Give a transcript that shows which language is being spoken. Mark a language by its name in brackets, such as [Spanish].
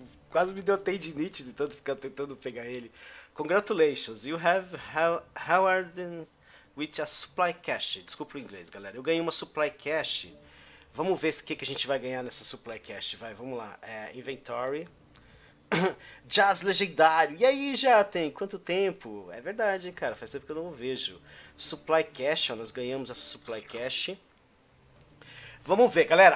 [Portuguese] Quase me deu a tendinite de tanto ficar tentando pegar ele. [English] Congratulations, you have Howarded with a supply cache. [Portuguese] Desculpa o inglês, galera. Eu ganhei uma supply cache. Vamos ver o que a gente vai ganhar nessa supply cache. Vai, vamos lá. É, inventory. Jazz legendário. E aí, já tem? Quanto tempo? É verdade, hein, cara. Faz tempo que eu não vejo. Supply cache, ó. Nós ganhamos essa supply cache. Vamos ver, galera.